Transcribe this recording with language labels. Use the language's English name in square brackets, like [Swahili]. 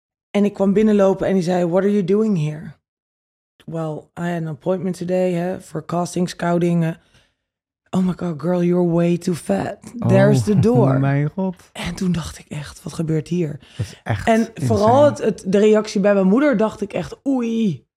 [Dutch] En ik kwam binnenlopen en hij zei, [English] what are you doing here? Well, I had an appointment today for casting, scouting. Oh my god, girl, you're way too fat. There's the door. [Dutch] Oh mijn god. En toen dacht ik echt, wat gebeurt hier? Dat is echt en insane. Vooral de reactie bij mijn moeder dacht ik echt, oei.